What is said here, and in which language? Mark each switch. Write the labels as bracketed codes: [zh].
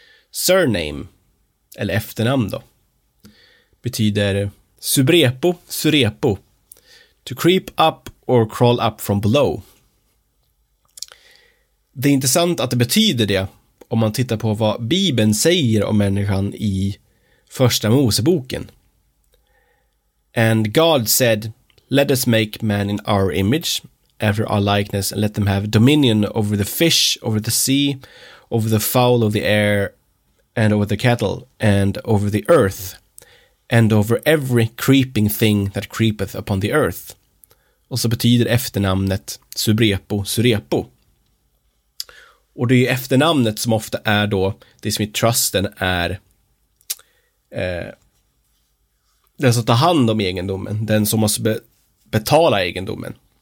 [sv] Surname, eller efternamn då, betyder subrepo, surepo. [en] To creep up or crawl up from below. [sv] Det är intressant att det betyder det om man tittar på vad Bibeln säger om människan i första Moseboken. [en] And God said, let us make man in our image, after our likeness, and let them have dominion over the fish, over the sea, over the fowl of the air, and over the cattle, and over the earth, and over every creeping thing that creepeth upon the earth. [sv] Och så betyder efternamnet subrepo, surepo. Och det är ju efternamnet som ofta är då det som i trusten är den som tar hand om egendomen, den som måste betala egendomen.